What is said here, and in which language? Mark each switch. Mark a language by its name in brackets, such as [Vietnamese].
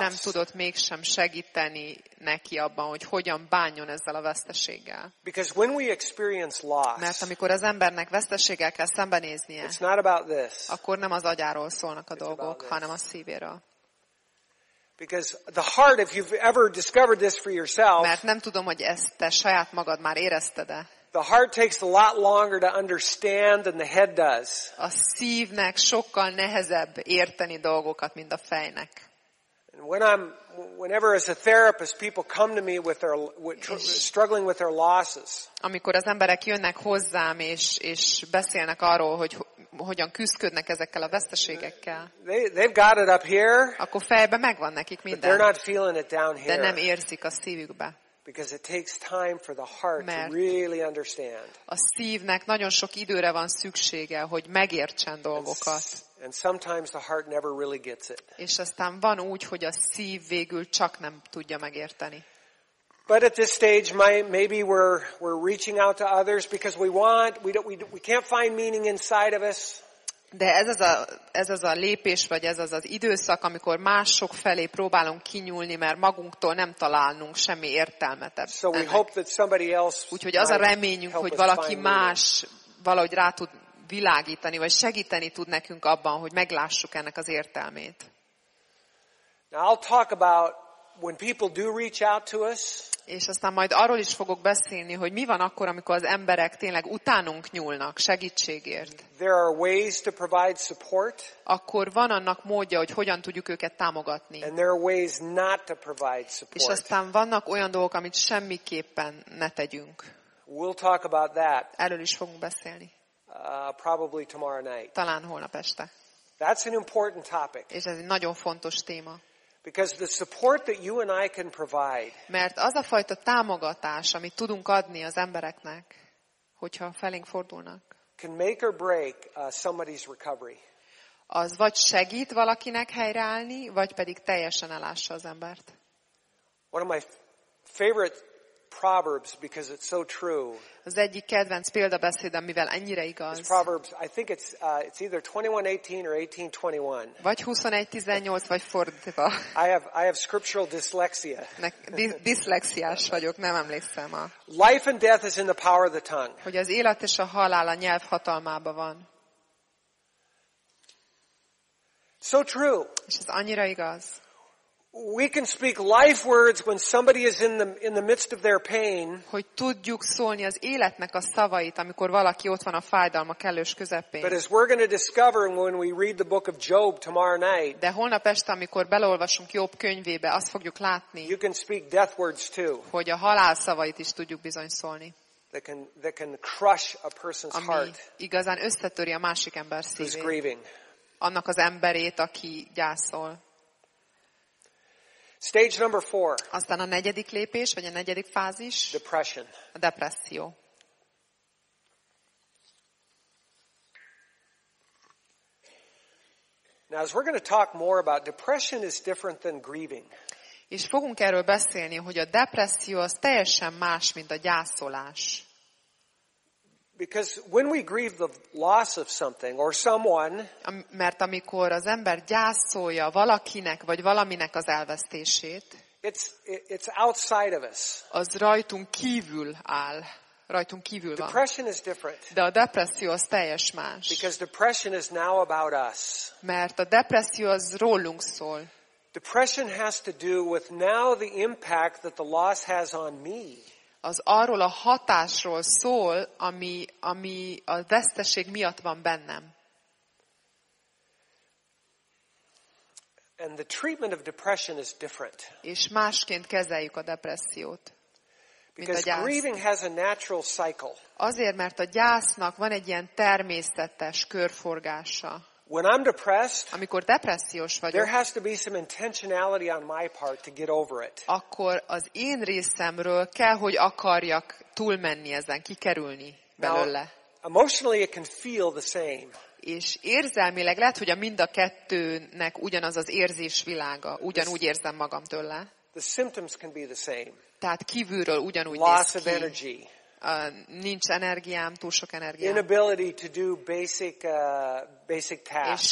[Hungarian] Nem tudott mégsem segíteni neki abban, hogy hogyan bánjon ezzel a veszteséggel. [English] Because when we experience loss, [Hungarian] mert amikor az embernek veszteséggel kell szembenéznie, [English] it's not about this, [Hungarian] akkor nem az agyáról szólnak a dolgok, hanem a szívéről. [English] Because the heart, if you've ever discovered this for yourself, [Hungarian] mert nem tudom, hogy ezt te saját magad már érezted-e. [English] The heart takes a lot longer to understand than the head does. [Hungarian] A szívnek sokkal nehezebb érteni dolgokat, mint a fejnek. [English] And whenever as a therapist people come to me with their struggling with their losses. [Hungarian] Amikor az emberek jönnek hozzám és beszélnek arról, hogy hogyan küzdködnek ezekkel a veszteségekkel. [English] They've got it up here. [Hungarian] Akkor fejbe megvan nekik minden. [English] But they're not feeling it down here. [Hungarian] De nem érzik a szívükbe. [English] Because it takes time for the heart to really understand. [Hungarian] A szívnek nagyon sok időre van szüksége, hogy megértsen dolgokat. [English] And sometimes the heart never really gets it. [Hungarian] És aztán van úgy, hogy a szív végül csak nem tudja megérteni. [English] But at this stage maybe we're reaching out to others because we can't find meaning inside of us. [Hungarian] De ez az a lépés vagy ez az az időszak, amikor mások felé próbálunk kinyúlni, mert magunktól nem találnunk semmi értelmet. [English] So we hope that somebody else. [Hungarian] Úgyhogy az a reményünk, hogy valaki más valahogy rá tud világítani vagy segíteni tud nekünk abban, hogy meglássuk ennek az értelmét. [English] Now I'll talk about when people do reach out to us. [Hungarian] És aztán majd arról is fogok beszélni, hogy mi van akkor, amikor az emberek tényleg utánunk nyúlnak segítségért. [English] There are ways to provide support. [Hungarian] Akkor van annak módja, hogy hogyan tudjuk őket támogatni. [English] And there are ways not to provide support. [Hungarian] És aztán vannak olyan dolgok, amit semmiképpen ne tegyünk. [English] We'll talk about that. [Hungarian] Erről is fogunk beszélni. [English] Probably tomorrow night. [Hungarian] Talán holnap este. [English] That's an important topic. [Hungarian] És ez egy nagyon fontos téma. [English] Because the support that you and I can provide. [Hungarian] Mert az a fajta támogatás, amit tudunk adni az embereknek, hogyha felénk fordulnak. [English] Can make or break somebody's recovery. [Hungarian] Az vagy segít valakinek helyreállni, vagy pedig teljesen elássa az embert. [English] One of my favorite proverbs because it's so true. [Hungarian] Az egyik kedvenc példabeszédem, mivel ennyire igaz. [English] It's Proverbs, I think it's either 21:18 or 18:21. [Hungarian] Vagy 21:18 vagy fordítva. [English] I have scriptural dyslexia. [Hungarian] Diszlexiás vagyok, nem emlékszem a. [English] Life and death is in the power of the tongue. [Hungarian] Hogy az élet és a halál a nyelv hatalmában van. [English] So true. [Hungarian] És ez annyira igaz. [English] We can speak life words when somebody is in the midst of their pain. [Hungarian] Hogy tudjuk szólni az életnek a szavait, amikor valaki ott van a fájdalma kellős közepén. [English] But as we're going to discover when we read the book of Job tomorrow night. [Hungarian] De holnap este, amikor beleolvasunk Jób könyvébe, azt fogjuk látni. [English] You can speak death words too. [Hungarian] Hogy a halál szavait is tudjuk bizony szólni. [English] That can crush a person's heart. [Hungarian] Igazán összetöri a másik ember szívét. [English] Who's grieving. [Hungarian] Annak az emberét, aki gyászol. [English] Stage number four. [Hungarian] Aztán a negyedik lépés, vagy a negyedik fázis. [English] Depression. [Hungarian] A depresszió. [English] Now as we're going to talk more about depression is different than grieving. [Hungarian] És fogunk erről beszélni, hogy a depresszió az teljesen más, mint a gyászolás. [English] Because when we grieve the loss of something or someone, [Hungarian] mert amikor az ember gyászolja valakinek vagy valaminek az elvesztését, [English] it's outside of us. [Hungarian] Az rajtunk kívül áll, rajtunk kívül van. [English] Depression is different. [Hungarian] De a depresszió az teljes más. [English] Because depression is now about us. [Hungarian] Mert a depresszió az rólunk szól. [English] Depression has to do with now the impact that the loss has on me. [Hungarian] Az arról a hatásról szól, ami a veszteség miatt van bennem. [English] And the treatment of depression is different. [Hungarian] És másként kezeljük a depressziót. [English] Because grieving has a natural cycle. [Hungarian] Azért, mert a gyásznak van egy ilyen természetes körforgása. [English] When I'm depressed, [Hungarian] amikor depressziós vagyok, [English] there has to be some intentionality on my part to get over it. [Hungarian] Akkor az én részemről kell, hogy akarjak túlmenni ezen, kikerülni belőle. [English] Now, emotionally it can feel the same. [Hungarian] És érzelmileg lehet, hogy a mind a kettőnek ugyanaz az érzésvilága, ugyanúgy érzem magam tőle. [English] The symptoms can be the same. [Hungarian] Tehát kívülről ugyanúgy [English] loss [Hungarian] néz ki. [English] Of energy. [Hungarian] Nincs energiám, túl sok energiám. [English] Inability to do basic tasks.